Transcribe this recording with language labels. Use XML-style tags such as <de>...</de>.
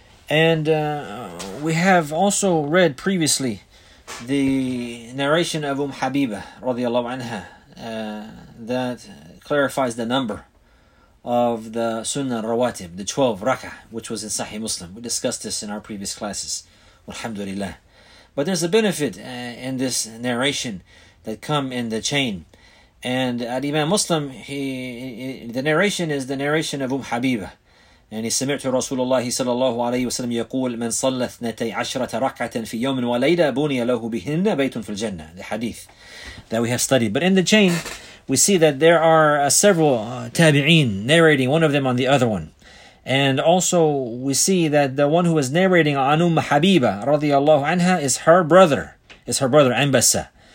<en>And we have also read previously the narration of Habiba radiallahu anha that clarifies the number of the Sunnah Rawatib, the 12 rak'ah, which was in Sahih Muslim. We discussed this in our previous classes, alhamdulillah. But there's a benefit in this narration that come in the chain. And at Imam Muslim, the narration is Habiba. And he</en> <ar>سمعت رسول الله صلى الله عليه وسلم يقول من صلى 12 ركعة في يوم وليلة بني له بهن بيت في الجنة.</ar> <en>The hadith that we have studied. But in the chain, we see that there are several tabi'een narrating one of them on the other one. And also we see that the one who is narrating Anum Habiba</en> <ar>رضي الله عنها</ar> <en>is her brother Anbasa.</en>